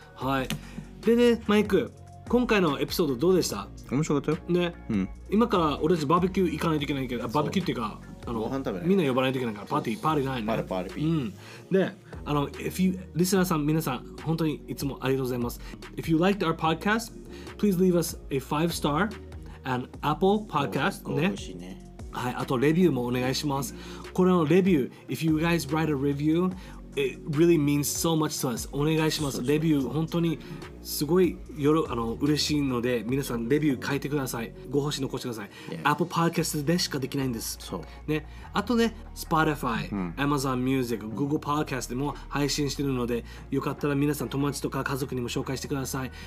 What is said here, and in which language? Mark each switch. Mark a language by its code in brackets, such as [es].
[ja] はい、でね、マイク、今回のエピソードどうでした？面白かったよ、ね、うん、今から俺たちバーベキュー行かないといけないけど、バーベキューっていうか、あのご飯食べない、みんな呼ばないといけないから、パーティー、パーティーないね、パーティー、パーティー、うん、で、あの、 [en] if you, [ja] リスナーさん、皆さん、本当にいつもありがとうございます。 [en] If you liked our podcast, please leave us a 5-star and Apple podcast, [ja] ね、はい、あとレビューもお願いします。これのレビュー、 [en] if you guys write a review,It really means so much to us. [ja] お願いします。レビュー本当にすごい嬉しいので、皆さんレビュー書いてください。ご星残してください。 [en] Yeah. [ja] Apple Podcast でしかできないんです。 [en] So. [ja] ね、あとね、Spotify、mm. Amazon Music、Google Podcast でも配信してるので、よかったら皆さん友達とか家族にも紹介してください。